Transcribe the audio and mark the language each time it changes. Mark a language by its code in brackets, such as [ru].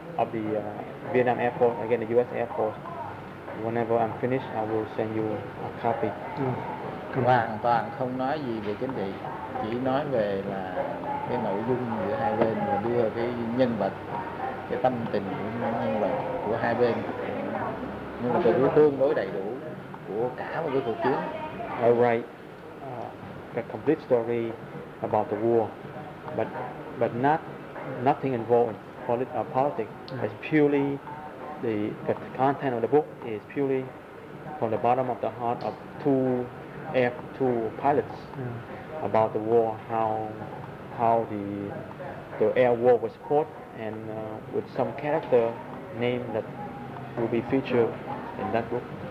[en] of the Vietnam Air Force against the U.S. Air Force. Whenever I'm finished, I will send you a copy. [vi] Hoàn toàn không nói gì về chính trị, chỉ nói về là cái nội dung giữa hai bên và đưa cái nhân vật, cái tâm tình của nhân vật của hai bên. Nhưng mà tôi cũng tương đối đầy đủ của cả một cái cuộc chiến. [en] I write a complete story about the war, but nothing involved politics. It's purely the content of the book is purely from the bottom of the heart of two pilots about the war, how the air war was fought, and with some character name that will be featured in that book.